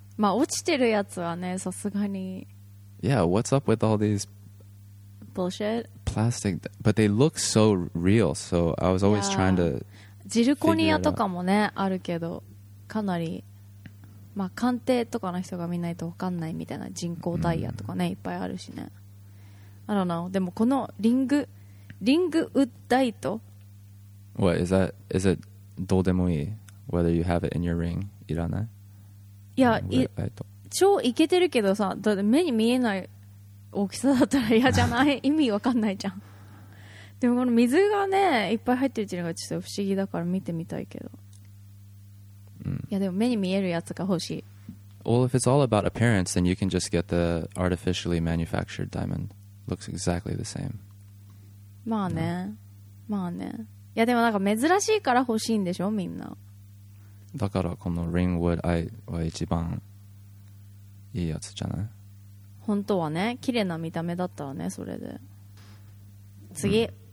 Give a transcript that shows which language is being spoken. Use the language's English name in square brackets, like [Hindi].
[Japanese] まあ落ちてるやつはね、さすがに。 [English] Yeah, what's up with all these... Bullshit? Plastic. But they look so real, so I was always trying to [Japanese] ジルコニアとかもね、あるけど。かなり、まあ、鑑定とかの人が見ないと分かんないみたいな人工ダイヤとかね、いっぱいあるしね。 [English] I don't know. [Japanese] でもこのリングウッダイト。 [English] What is that? Is it どうでもいい whether you have it in your ring? [Japanese] いらない？いや、超イケてるけどさ、だって目に見えない大きさだったら嫌じゃない？意味分かんないじゃん。でもこの水がね、いっぱい入ってるっていうのがちょっと不思議だから見てみたいけど。いやでも目に見えるやつが欲しい。 [English] Well, if it's all about appearance, then you can just get the artificially manufactured diamond. Looks exactly the same. [Japanese] まあね、まあね。いやでもなんか珍しいから欲しいんでしょ、みんな。だからこの Ringwood Eye は一番いいやつじゃない？本当はね、綺麗な見た目だったらね、それで。次。